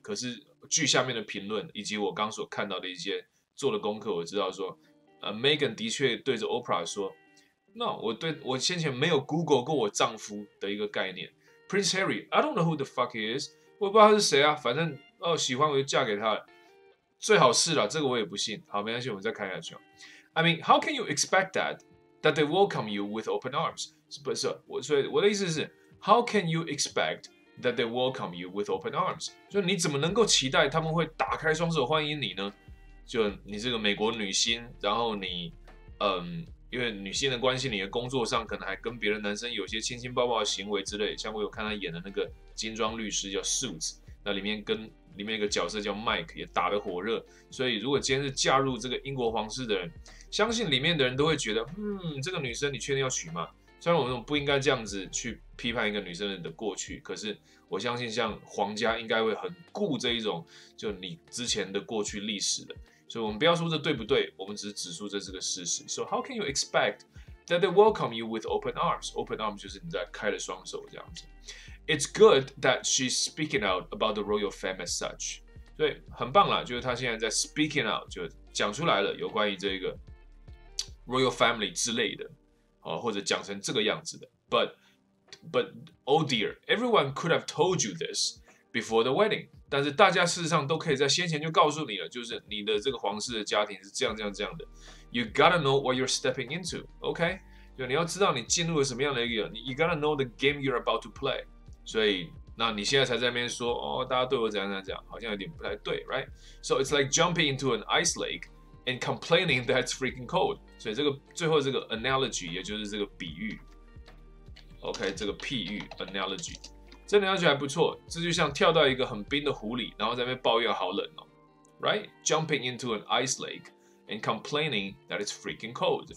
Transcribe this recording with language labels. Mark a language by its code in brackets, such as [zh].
[zh] 可是据下面的评论以及我刚所看到的一些做的功课，我知道说，Megan 的确对着 Oprah 说。那、no, 我先前没有 Google 过我丈夫的一个概念 ，Prince Harry， [en] I don't know who the fuck he is， [zh] 我也不知道他是谁啊，反正哦喜欢我就嫁给他了，最好是啦，这个我也不信。好，没关系，我们再看下去。 [en] I mean， how can you expect that they welcome you with open arms？ [zh] 不是，我的意思是 [en] ，how can you expect that they welcome you with open arms？ [zh] 就你怎么能够期待他们会打开双手欢迎你呢？就你这个美国女星，然后你因为女性的关系，你的工作上可能还跟别的男生有些亲亲抱抱的行为之类，像我有看他演的那个金装律师叫 Suits， 那里面一个角色叫 Mike 也打得火热，所以如果今天是嫁入这个英国皇室的人，相信里面的人都会觉得，这个女生你确定要娶吗？虽然我们不应该这样子去批判一个女生的过去，可是我相信像皇家应该会很顾这一种，就你之前的过去历史的。所以我们不要说这对不对，我们只是指出这是个事实。 [en] So how can you expect that they welcome you with open arms? [zh] Open arms 就是你在开了双手这样子。 [en] It's good that she's speaking out about the royal family as such. [zh] 对，很棒啦，就是她现在在 speaking out， 就讲出来了有关于这个 royal family 之类的，或者讲成这个样子的。 [en] But oh dear, everyone could have told you this before the wedding. [zh] 但是大家事实上都可以在先前就告诉你了，就是你的这个皇室的家庭是这样这样这样的。 [en] You gotta know what you're stepping into, OK？ [zh] 就你要知道你进入了什么样的一个，你 [en] You gotta know the game you're about to play。 [zh] 所以，那你现在才在那边说哦，大家对我怎样怎样怎样，好像有点不太对 ， [en] right？ So it's like jumping into an ice lake and complaining that it's freaking cold。 [zh] 所以这个最后这个 analogy， 也就是这个比喻 ，OK， 这个譬喻 analogy。这两句还不错，这就像跳到一个很冰的湖里，然后在那边抱怨好冷哦 ， [en] right? Jumping into an ice lake and complaining that it's freaking cold.